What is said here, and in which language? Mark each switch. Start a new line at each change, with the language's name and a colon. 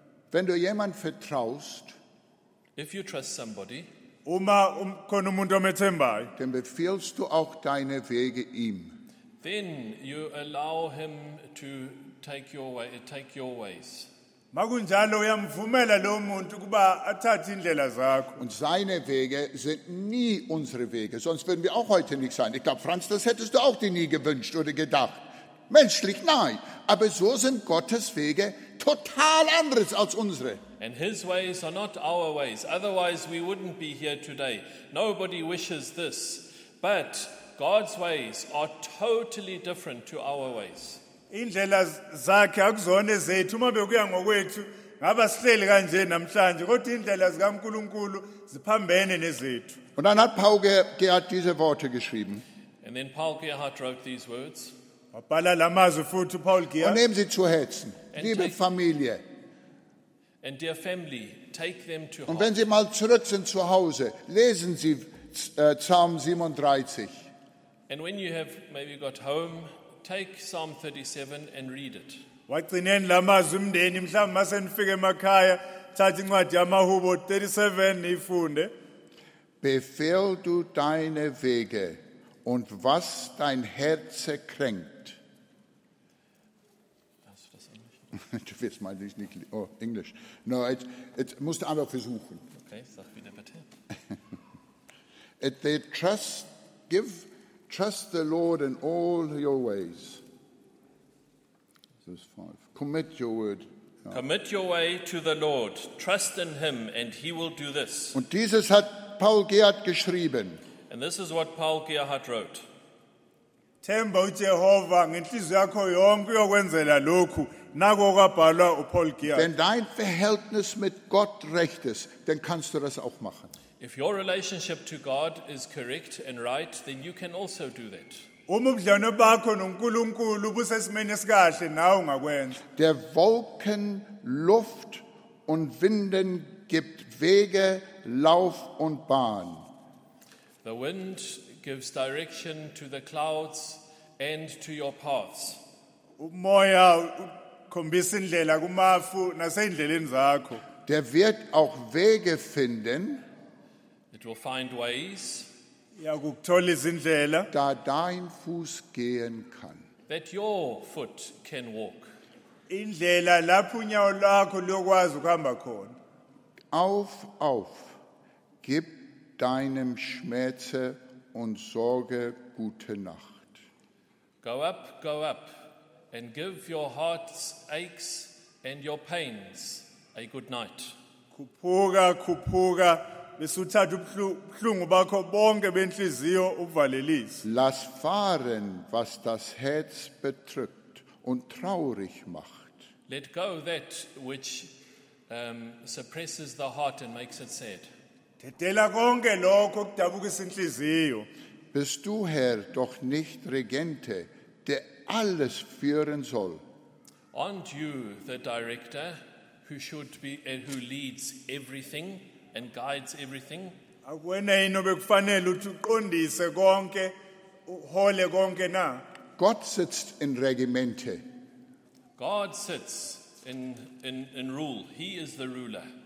German: Wenn du jemand vertraust,
English: if you trust somebody,
Zulu: uma khona umuntu omethembayo,
German: then befehlst du auch deine Wege ihm.
English: Then you allow him to take your ways.
Zulu: Makunjalo uyamvumela lo muntu ukuba athathe indlela zakho.
German: Und seine Wege sind nie unsere Wege, sonst würden wir auch heute nicht sein. Ich glaube, Franz, das hättest du auch dir nie gewünscht oder gedacht. Menschlich, nein. Aber so sind Gottes Wege total anders als unsere.
English: And his ways are not our ways. Otherwise we wouldn't be here today. Nobody wishes this. But God's ways are totally different to our ways.
Zulu: Indlela zakhe akuzona zethu. Uma bekuya ngokwethu, ngaba sihleli kanje namhlanje. Kodwa indlela zikaNkulunkulu ziphambene nezethu.
German: Und dann hat Paul Gerhardt diese Worte geschrieben.
English: And then Paul Gerhardt wrote these words.
German: Und nehmen Sie zu Herzen, liebe Familie.
English: And dear family, take them to
German: und wenn Sie mal zurück sind zu Hause, lesen Sie Psalm 37.
English: And when you have maybe got home, take Psalm 37 and read it.
Zulu: Wagcineni lamazwi umndeni, mhlawumbe masenifike emakhaya, thatha incwadi yamahubo 37 ifunde.
German: Befehl du deine Wege und was dein Herz kränkt. Du wirst mal nicht oh, Englisch.
English: No, it
German: musst du einfach versuchen. Okay, sag wieder bitte.
English: If they trust, give trust the Lord in all your ways. verse 5. Commit your word. Commit your way to the Lord. Trust in him and he will do this.
German: Und dieses hat Paul Gerhard geschrieben.
English: And this is what Paul Gerhard wrote.
Zulu: Themba uJehova ngenhliziyo yakho yonke uyokwenzela lokhu. Nako kwabhalwa uPaul Gerhard.
German: Wenn dein Verhältnis mit Gott recht ist, dann kannst du das auch machen.
English: If your relationship to God is correct and right, then you can also do that.
Zulu: Umudlane bakho noNkulunkulu busesimeni esikahle nawe ungakwenza.
German: Der Wolken, Luft und Winden gibt Wege, Lauf und Bahn.
English: The wind gives direction to the clouds and to your paths.
Zulu: Umoya ukhombisa indlela kumafu nasendleleni zakho.
German: Der wird auch Wege finden.
English: It will find ways.
German: Da dein Fuß gehen kann.
English: That your foot can walk.
Zulu: Indlela lapho unyawo lwakho lokwazi ukuhamba khona.
German: Auf, auf. Gib deinem Schmerze und Sorge gute Nacht.
English: Go up, and give your heart's aches and your pains a good night.
Zulu: Kuphuka, kuphuka, bese uthatha ubuhlungu bakho bonke benhliziyo ubvalelise.
German: Lass fahren, was das Herz bedrückt und traurig macht.
English: Let go that which suppresses the heart and makes it sad.
German: Bist du, Herr, doch nicht Regente, der alles führen soll?
English: Aren't you the director who should be and who leads everything and guides everything?
German: Gott sitzt in Regimente.
English: God sits in rule. He is the ruler.